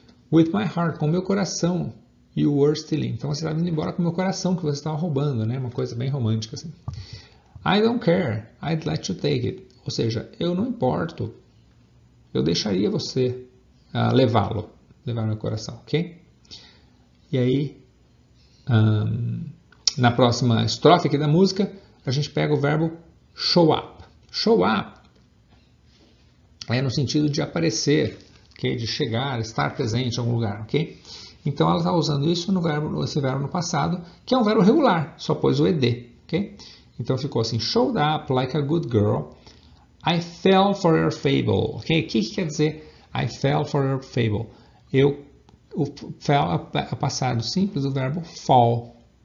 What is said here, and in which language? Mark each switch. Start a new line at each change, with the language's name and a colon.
English: With my heart,
Portuguese: com meu coração,
English: you were stealing.
Portuguese: Então você estava indo embora com meu coração que você estava roubando, né? Uma coisa bem romântica assim.
English: I don't care, I'd let you take it.
Portuguese: Ou seja, eu não importo, eu deixaria você levá-lo, levar meu coração, ok? E aí, na próxima estrofe aqui da música, a gente pega o verbo show up. Show up é no sentido de aparecer, okay? De chegar, estar presente em algum lugar, ok? Então ela está usando isso no verbo, esse verbo no passado, que é um verbo regular, só pôs o ED, ok? Então ficou assim:
English: showed up like a good girl. I fell for your fable, ok?
Portuguese: O que quer dizer
English: I fell for your fable?
Portuguese: O fell é passado simples do verbo fall.